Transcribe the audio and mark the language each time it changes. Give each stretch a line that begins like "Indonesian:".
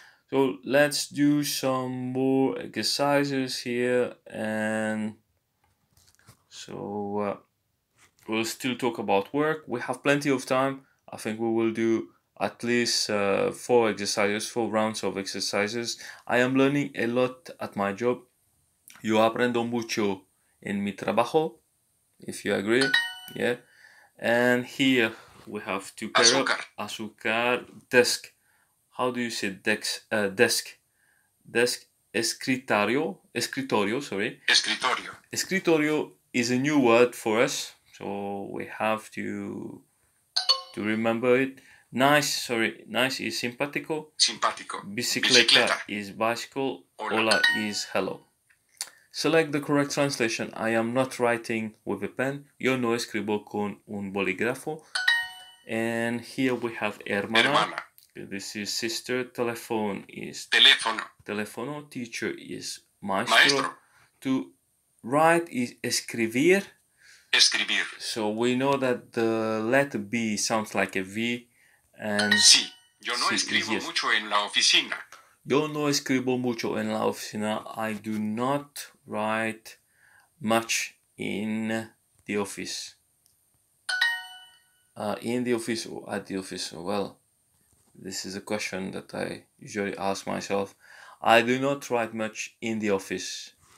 English: So let's do some more exercises here, and so we'll still talk about work. We have plenty of time. I think we will do at least four rounds of exercises. I am learning a lot at my job.
Spanish: Yo aprendo mucho en mi trabajo,
English: if you agree, yeah. And here we have to pair up azúcar desk. How do you say desk? Desk, escritorio.
Spanish: Escritorio.
English: Escritorio is a new word for us, so we have to remember it. Nice is simpático.
Spanish: Simpático.
English: Bicicleta is bicycle. Hola is hello. Select the correct translation. I am not writing with a pen.
Spanish: Yo no escribo con un bolígrafo.
English: And here we have hermana.
Spanish: Hermana.
English: This is sister. Telephone is
Spanish: teléfono.
English: Teléfono. Teacher is maestro.
Spanish: Maestro.
English: To write is escribir.
Spanish: Escribir.
English: So we know that the letter B sounds like a V. And
Spanish: sí. Yo no escribo mucho en la oficina. Yo no escribo mucho en la oficina.
English: I do not write much in the office. In the office or at the office? Well, this is a question that I usually ask myself. I do not write much in the office.